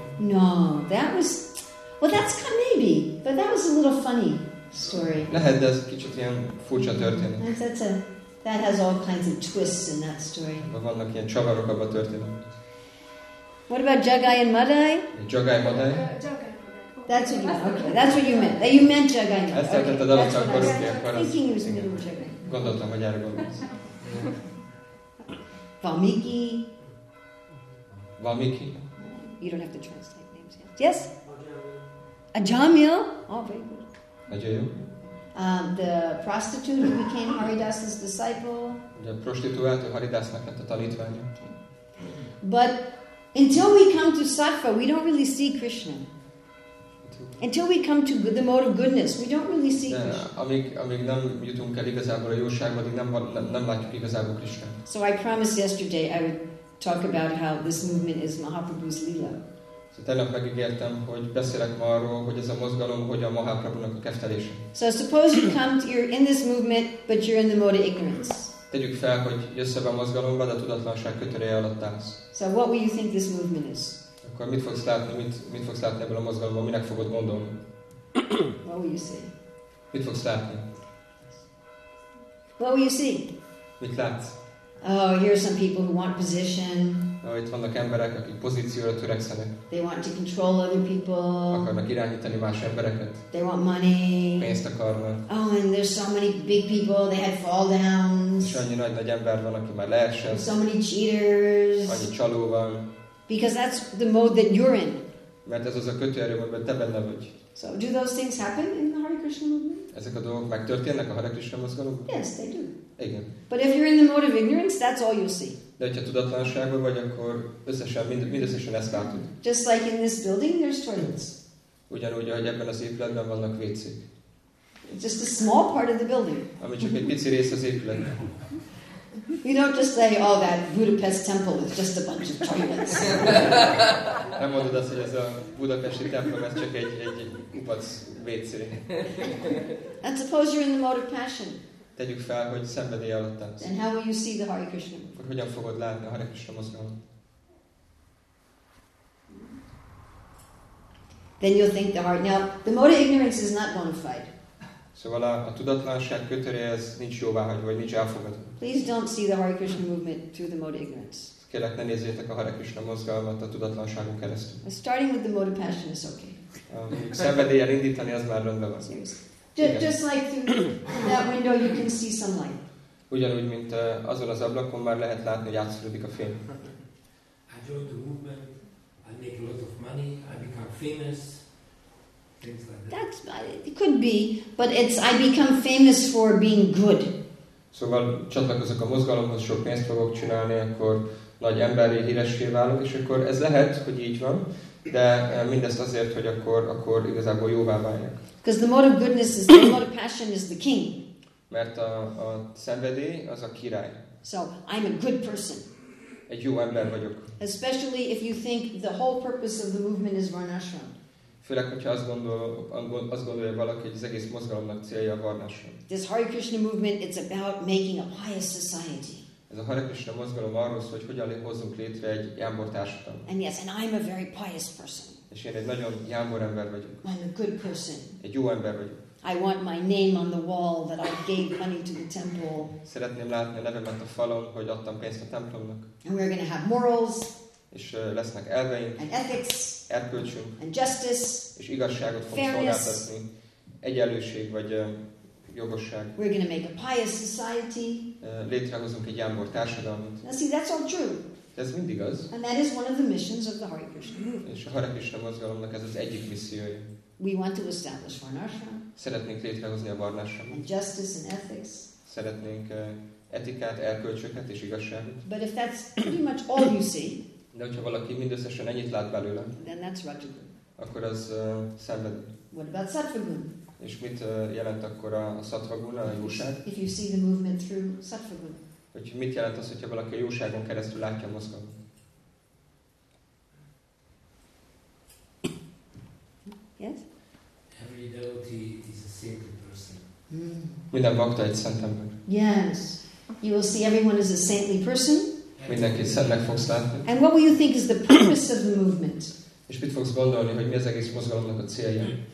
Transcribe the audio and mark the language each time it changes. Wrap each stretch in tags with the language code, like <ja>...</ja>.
<en>No, that was... Well, that's Kamebi, but that was a little funny. story.</en> <hu>Lehet, de ez kicsit ilyen furcsa történet.</hu> <en>That has all kinds of twists in that story.</en> <hu>Vannak ilyen csavarok abban a történetben.</hu> <en>What about Jagai and Madai? Jagai Madai. That's what you meant. Okay, that's what you meant. You meant Jagai.</en> <hu>Ezt értetted alatt a korukért.</hu> <en>Thinking it was middle of Jagai.</en> <hu>Gondoltam, hogy erre gondolsz. Valmiki. Valmiki.</hu> <en>You don't have to translate names yet. Yes? Ajamil. Oh, very good. Ajayu. The prostitute who became Haridasa's disciple.</en> <hu>The prostituáltó Haridasnak lett a tanítványa.</hu> <en>But until we come to Sattva, we don't really see Krishna. Until we come to the mode of goodness, we don't really see Krishna.</en> <hu>Amíg nem jutunk el igazából a jóságba, addig nem látjuk igazából Krishna.</hu> <en>So I promised yesterday I would talk about how this movement is Mahaprabhu's lila.</en> <hu>Tehát megígértem, hogy beszélek ma arról, hogy ez a mozgalom, hogy a Mahaprabhunak a keftelése.</hu> <en>So suppose you come to, you're in this movement, but you're in the mode of ignorance.</en> <hu>Tegyük fel, hogy jössz ebbe a mozgalomba, de tudatlanság kötője alatt állsz.</hu> <en>So what will you think this movement is?</en> <hu>Akkor mit fogsz látni, mit fogsz látni ebből a mozgalomból, minek fogod gondolni?</hu> <en>What will you see?</en> <hu>Mit fogsz látni?</hu> <en>What will you see?</en> <hu>Mit látsz?</hu> <en>Oh, here are some people who want position.</en> <hu>Oh, itt vannak emberek, akik pozícióra törekszenek.</hu> <en>They want to control other people.</en> <hu>Akarnak irányítani más embereket.</hu> <en>They want money.</en> <hu>Pénzt akarnak.</hu> <en>Oh, and there's so many big people, they had fall downs.</en> <hu>És annyi nagy ember van, aki már leesett.</hu> <en>So many cheaters.</en> <hu>Annyi csaló van.</hu> <en>Because that's the mode that you're in.</en> <hu>Mert ez az a kötőerő, amiben te benne vagy.</hu> <en>So do those things happen in the Hare Krishna movement?</en> <hu>Ezek a dolgok megtörténnek a Hare Krishna mozgalomban?</hu> <en>Yes, they do.</en> <hu>Igen.</hu> <en>But if you're in the mode of ignorance, that's all you'll see.</en> <hu>De hogyha tudatlanságban vagy, akkor összesen, mindösszesen ezt látod.</hu> <en>Just like in this building, there's toilets.</en> <hu>Ugyanúgy, ahogy ebben az épületben vannak vécék.</hu> <en>Just a small part of the building.</en> <hu>Ami csak egy pici rész az épületben.</hu> <en>You don't just say, oh, that Budapest temple is just a bunch of toilets.</en> <hu>Nem mondod azt, hogy ez a budapesti templom, ez csak egy kupac vécé.</hu> <en>And suppose you're in the mode of passion.</en> <hu>Tegyük fel, hogy szenvedély alatt állsz.</hu> <en>And how will you see the Hare Krishna?</en> <hu>Akkor hogyan fogod látni a Hare Krishna mozgalmat?</hu> <en>Then you'll think the heart. Now, the mode of ignorance is not bona fide.</en> <hu>Szóval a tudatlanság kötöre, ez nincs jóváhagyva, vagy nincs elfogadva.</hu> <en>Please don't see the Hare Krishna movement through the mode of ignorance.</en> <hu>Kérlek, ne nézzétek a Hare Krishna mozgalmat a tudatlanságon keresztül.</hu> <en>But starting with the mode of passion is okay.</en> <hu>Szenvedéllyel indítani, az már rendben van.</hu> <en>Just like through that window, you can see some light.</en> <hu>Ugyanúgy, mint azon az ablakon már lehet látni, hogy átszűrődik a fény.</hu> <en>I joined the movement. I make a lot of money. I become famous. Things like that. It could be, but it's I become famous for being good.</en> <hu>Szóval csatlakozok a mozgalomhoz, sok pénzt fogok csinálni, akkor nagy emberré híressé válok, és akkor ez lehet, hogy így van, de mindezt azért, hogy akkor igazából jóvá váljak.</hu> <en>Because the mode of goodness is the mode of passion is the king.</en> <hu>Mert a szenvedély az a király.</hu> <en>So I'm a good person.</en> <hu>Egy jó ember vagyok.</hu> <en>Especially if you think the whole purpose of the movement is Varnashram.</en> <hu>Főleg, hogyha azt gondolja valaki, hogy az egész mozgalomnak célja a Varnashram.</hu> <en>This Hare Krishna movement, it's about making a pious society.</en> <hu>Ez a Hare Krishna mozgalom arról szól, hogy hogyan hozzunk létre egy jámbor társadalmat.</hu> <en>And yes, and I'm a very pious person.</en> <hu>És én egy nagyon jámbor ember vagyok.</hu> <en>I'm a good person.</en> <hu>Egy jó ember vagyok.</hu> <en>I want my name on the wall that I gave money to the temple.</en> <hu>Szeretném látni a nevemet a falon, hogy adtam pénzt a templomnak.</hu> <en>And we're going to have morals.</en> <hu>És lesznek elveink.</hu> <en>And ethics.</en> <hu>Erkölcsünk.</hu> <en>And justice.</en> <hu>És igazságot fogunk szolgáltatni. Egyenlőség vagy jogosság.</hu> <en>We're going to make a pious society.</en> <hu>Létrehozunk egy jámbor társadalmat.</hu> <en>Now see, that's all true.</en> <hu>Ez mindig az.</hu> <en>And that is one of the missions of the Hare Krishna movement.</en> <hu>És a Hare Krishna mozgalomnak ez az egyik missziója.</hu> <en>We want to establish Varnashram.</en> <hu>Szeretnénk létrehozni a Varnashramot.</hu> <en>And justice and ethics.</en> <hu>Szeretnénk etikát, erkölcsöket és igazságot.</hu> <en>But if that's pretty much all you see.</en> <hu>De hogyha valaki mindösszesen ennyit lát belőle.</hu> <en>Then that's Rajagun.</en> <hu>Akkor az szenved.</hu> <en>What about Sattvagun?</en> <hu>És mit jelent akkor a Sattvagun, a jóság?</hu> <en>If you see the movement through Sattvagun.</en> <hu>Hogy mit jelent az, hogyha valaki a jóságon keresztül látja a mozgalmat?</hu> <en>Yes? Every devotee is a saintly person.</en> <hu>Minden bhakta egy szent ember.</hu> <en>Yes. You will see everyone is a saintly person.</en> <hu>Mindenki szentnek fogsz látni.</hu> <en>And what will you think is the purpose of the movement?</en> <hu>És mit fogsz gondolni, hogy mi az egész mozgalomnak a célja?</hu>